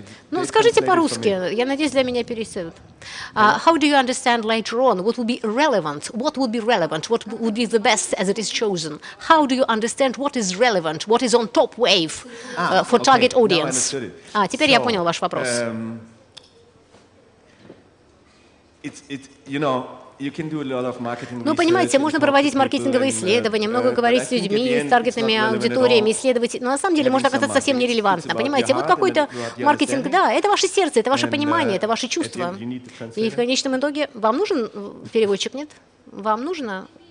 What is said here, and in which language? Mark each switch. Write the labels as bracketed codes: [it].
[ru] Ну, скажите по-русски. Я надеюсь, для меня переведут. [en] How do you understand later on what would be relevant? What would be relevant? What would be the best as it is chosen? How do you understand what is relevant? What is on top wave for target audience? [ru] А, теперь я понял ваш вопрос. [en] You know, you can do a lot of marketing. [ru] Ну, понимаете, можно проводить маркетинговые исследования, много говорить с людьми, с таргетными аудиториями, исследовать. Но на самом деле можно оказаться совсем нерелевантно. Понимаете, вот какой-то маркетинг, да, это ваше сердце, это ваше понимание, это ваши чувства. И в конечном итоге вам нужен переводчик, нет? Вам нужно?